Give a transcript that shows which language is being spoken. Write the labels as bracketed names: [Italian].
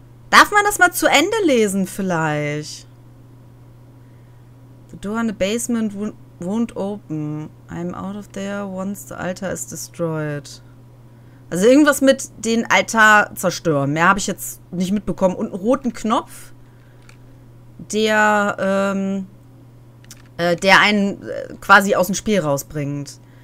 [German] Darf man das mal zu Ende lesen vielleicht? [English] The door in the basement won't open. I'm out of there once the altar is destroyed. [German] Also irgendwas mit den Altar zerstören. Mehr habe ich jetzt nicht mitbekommen. Und einen roten Knopf, der einen quasi aus dem Spiel rausbringt.